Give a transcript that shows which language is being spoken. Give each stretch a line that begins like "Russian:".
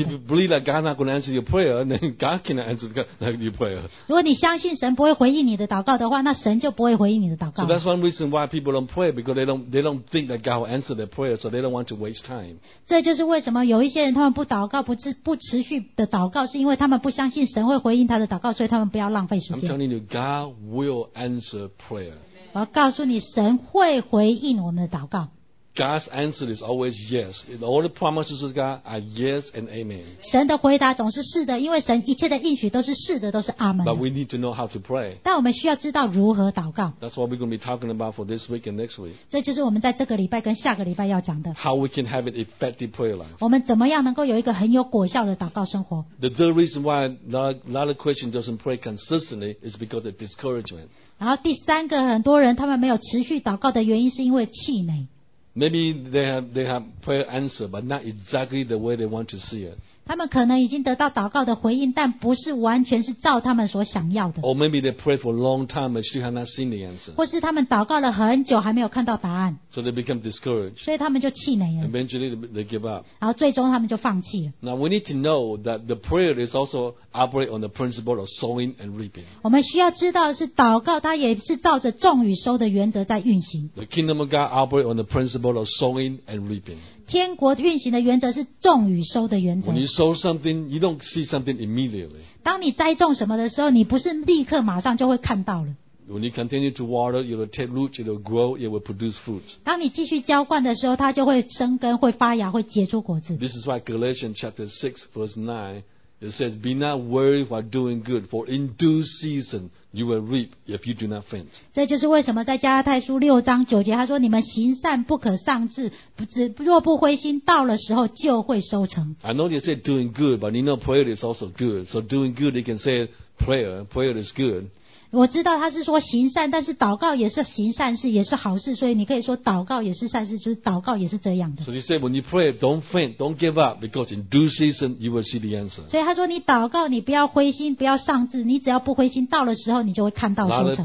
English: And if you believe that God's not going to answer your prayer, then God cannot answer your prayer.
Chinese: 如果你相信神不会回应你的祷告的话，那神就不会回应你的祷告。
English: So that's one reason why people don't pray, because they don't think that God will answer their prayer, so they don't want to waste time.
Chinese: 这就是为什么有一些人他们不祷告，不持续的祷告，是因为他们不相信神会回应他的祷告，所以他们不要浪费时间。
English: I'm telling you, God will answer prayer.
Chinese: 我要告诉你，神会回应我们的祷告。
English: God's answer is always yes. All the promises of God are yes and amen.
Chinese: 神的回答总是是的，因为神一切的应许都是是的，都是阿门。
English: But we need to know how to pray.
Chinese: 但我们需要知道如何祷告。
English: That's what we're going to be talking about for this week and next week.
Chinese: 这就是我们在这个礼拜跟下个礼拜要讲的。
English: How we can have an effective prayer life.
Chinese: 我们怎么样能够有一个很有果效的祷告生活？
English: The third reason why a lot of Christians doesn't pray consistently is because of discouragement.
Chinese: 然后第三个，很多人他们没有持续祷告的原因是因为气馁。
English: Maybe they have prayer answer, but not exactly the way they want to see it.
Chinese: 他们可能已经得到祷告的回应，但不是完全是照他们所想要的。
English: Or maybe they pray for a long time but still have not seen the answer.
Chinese: 或是他们祷告了很久还没有看到答案。
English: So they become discouraged.
Chinese: 所以他们就气馁了。
English: Eventually they give up.
Chinese: 然后最终他们就放弃了。
English: Now we need to know that the prayer is also operate on the principle of sowing and reaping.
Chinese: 我们需要知道的是祷告它也是照着种与收的原则在运行。
English: The kingdom of God operate on the principle. Of sowing and reaping.
Chinese: 天国运行的原则是种与收的原则。
English: When you sow something, you don't see something immediately.
Chinese: 当你栽种什么的时候，你不是立刻马上就会看到了。
English: When you continue to water, it will take root, it will grow, it will produce fruit.
Chinese: 当你继续浇灌的时候，它就会生根、会发芽、会结出果子。
English: This is why Galatians chapter 6 verse 9 It says, be not weary while doing good, for in due season you will reap if you do not faint.
Chinese: 这就是为什么在加拉太书六章九节他说你们行善不可丧志，若不灰心，到了时候就会收成。
English: I know you said doing good, but you know prayer is also good. So doing good, you can say prayer. Prayer is good.
Chinese: 我知道他是说行善，但是祷告也是行善事，也是好事，所以你可以说祷告也是善事，就是祷告也是这样的。
English: So he said, when you pray, don't faint, don't give up, because in due season you will see the answer.
Chinese: 所以他说你祷告，你不要灰心，不要丧志，你只要不灰心，到了时候你就会看到收成。